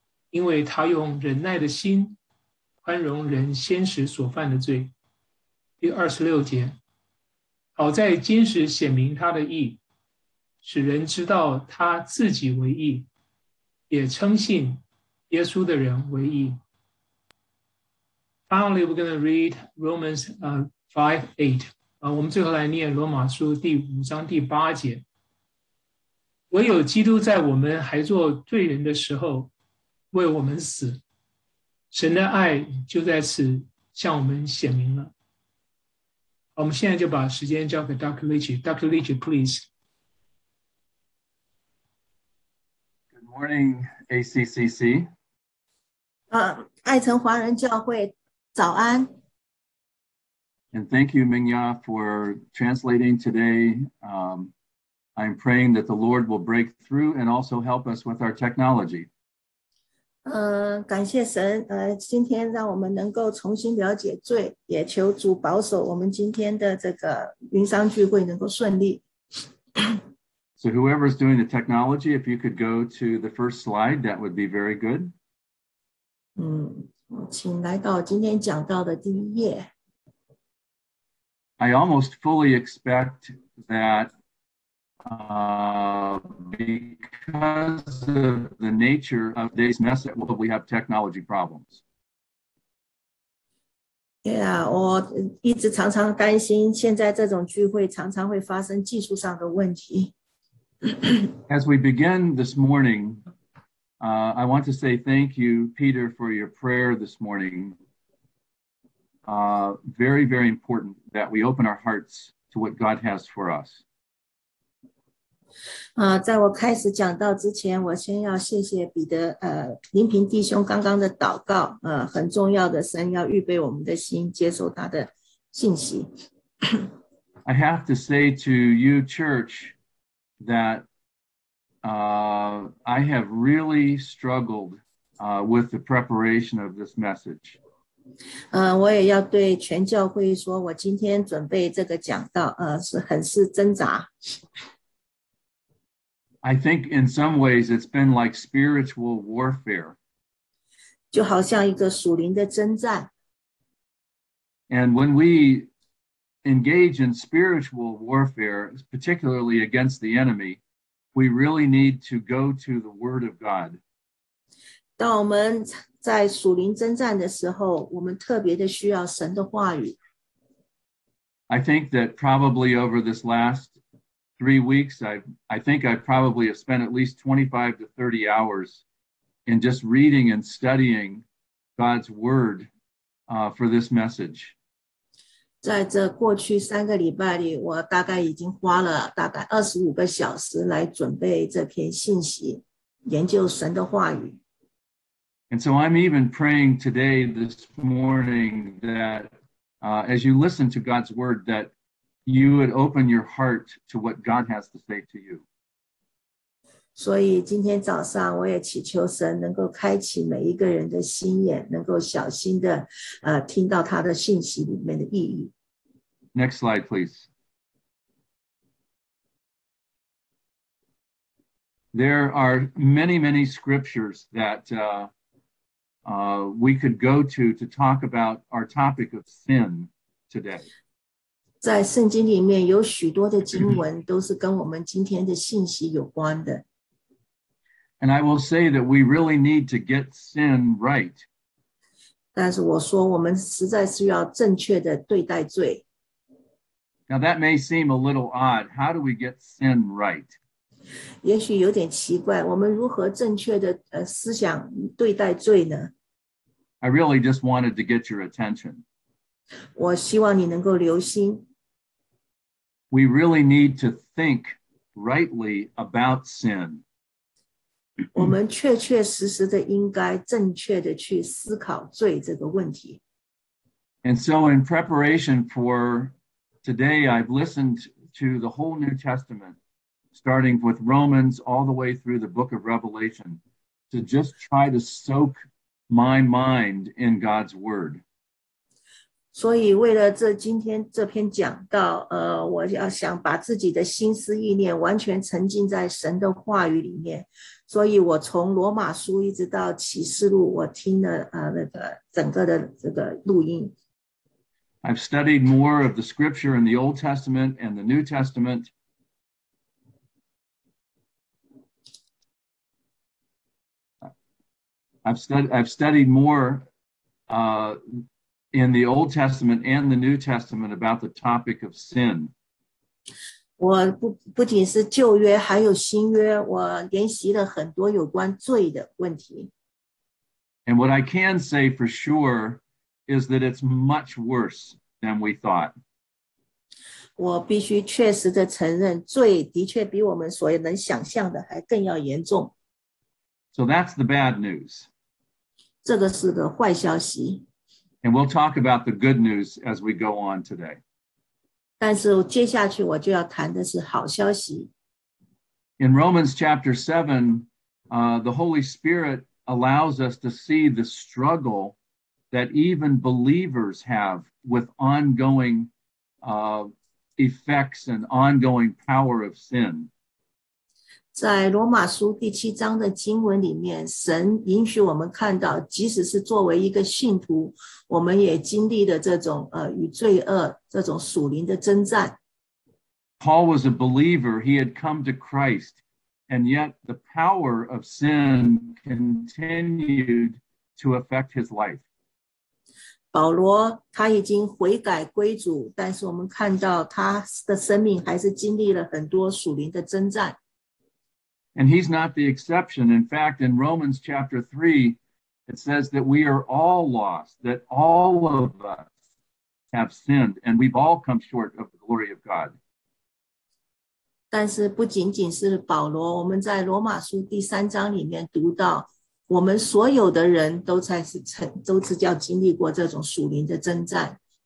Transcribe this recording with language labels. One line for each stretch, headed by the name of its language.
Chinese: 因为他用忍耐的心宽容人先时所犯的罪。 26节，好在今时显明他的义，使人知道他自己为义，也称信耶稣的人为义。
English: Finally, we're going to read Romans 5:8.
Chinese: 我们最后来念罗马书第五章第八节。唯有基督在我们还做罪人的时候为我们死，神的爱就在此向我们显明了。我们现在就把时间交给 Dr.
English: Leach. Dr. Leach, please. Good morning, ACCC.
Chinese: 爱城华人教会早安。
English: And thank you, Mingya, for translating today. I'm praying that the Lord will break through and also help us with our technology.
Chinese: 感谢神，今天让我们能够重新了解罪，也求主保守我们今天的这个云商聚会能够顺利。
English: So whoever's doing the technology, if you could go to the first slide, that would be very good.
Chinese: 请来到今天讲到的第一页。
English: I almost fully expect that because of the nature of today's message, we'll probably have technology problems. Yeah,
Chinese: 我一直常常担心现在这种聚会常常会发生技术上的问题。
English: As we begin this morning, I want to say thank you, Peter, for your prayer this morning. Very, very important that we open our hearts to what God has for us.
Chinese: 在我开始讲到之前，我先要谢谢彼得，林平弟兄刚刚的祷告，很重要的，神要预备我们的心，接受他的信息。
English: I have to say to you, church, that I have really struggled with the preparation of this message.
Chinese: 我也要对全教会说，我今天准备这个讲道，是很挣扎。
English: I think in some ways it's been like spiritual warfare.
Chinese: 就好像一个属灵的征战。
English: And when we engage in spiritual warfare, particularly against the enemy, we really need to go to the Word of God.
Chinese: 当我们在属灵征战的时候，我们特别的需要神的话语。
English: I think that probably over this last 3 weeks, I think I probably have spent at least 25 to 30 hours in just reading and studying God's word for this message.
Chinese: 在这过去三个礼拜里，我大概已经花了大概25个小时来准备这篇信息，研究神的话语。
English: And so I'm even praying today, this morning, that as you listen to God's word, that you would open your heart to what God has to say to you.
Chinese: 所以今天早上我也祈求神能够开启每一个人的心眼，能够小心的听到他的信息里面的意义。
English: Next slide, please. There are many, many scriptures that we could go to talk about our topic of sin today.
Chinese: 在圣经里面有许多的经文都是跟我们今天的信息有关的。
English: And I will say that we really need to get sin right.
Chinese: 但是我说我们实在是要正确的对待罪。
English: Now that may seem a little odd. How do we get sin right?
Chinese: 也许有点奇怪，我们如何正确的思想对待罪呢？
English: I really just wanted to get your attention.
Chinese: 我希望你能够留心。
English: We really need to think rightly about sin.
Chinese: 我们确确实实的应该正确的去思考罪这个问题。
English: And so in preparation for today, I've listened to the whole New Testament. Starting with Romans all the way through the book of Revelation, to just try to soak my mind in God's word.
Chinese: 所以为了这今天这篇讲道，我要想把自己的心思意念完全沉浸在神的话语里面。所以我从罗马书一直到启示录，我听了那个整个的这个录音。
English: I've studied more of the scripture in the Old Testament and the New Testament. I've studied more in the Old Testament and the New Testament about the topic of sin.
Chinese: 我 不仅是旧约还有新约，我研习了很多有关罪的问题。
English: And what I can say for sure is that it's much worse than we thought.
Chinese: 我必须确实的承认，罪的确比我们所能想象的还更要严重。
English: So that's the bad news.
Chinese: 这个是个坏消息。
English: And we'll talk about the good news as we go on today.
Chinese: 但是接下去我就要谈的是好消息。
English: In Romans chapter 7, the Holy Spirit allows us to see the struggle that even believers have with ongoing effects and ongoing power of sin.
Chinese: 在罗马书第七章的经文里面，神允许我们看到，即使是作为一个信徒，我们也经历了这种与罪恶这种属灵的征战。
English: Paul was a believer. He had come to Christ, and yet the power of sin continued to affect his life.
Chinese: 保罗他已经悔改归主，但是我们看到他的生命还是经历了很多属灵的征战。
English: And he's not the exception. In fact, in Romans chapter 3, it says that we are all lost, that all of us have sinned, and we've all come short of the glory of God.
Chinese: 但是不仅仅是保罗，我们在罗马书第三章里面读到，我们所有的人都是叫经历过这种属灵的征战。